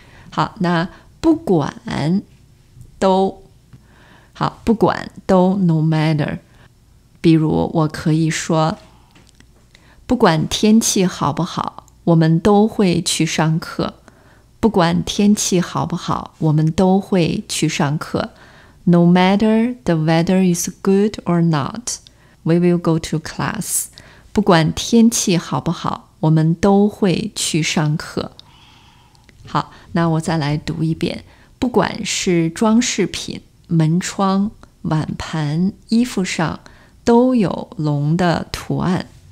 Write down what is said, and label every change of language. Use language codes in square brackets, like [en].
[zh] 好，那不管都，好，不管都 no matter。比如我可以说，不管天气好不好，我们都会去上课。不管天气好不好，我们都会去上课。 [en] No matter the weather is good or not, we will go to class。 [zh] 不管天气好不好，我们都会去上课。好，那我再来读一遍。不管是装饰品、门窗、碗盘、衣服上都有龙的图案。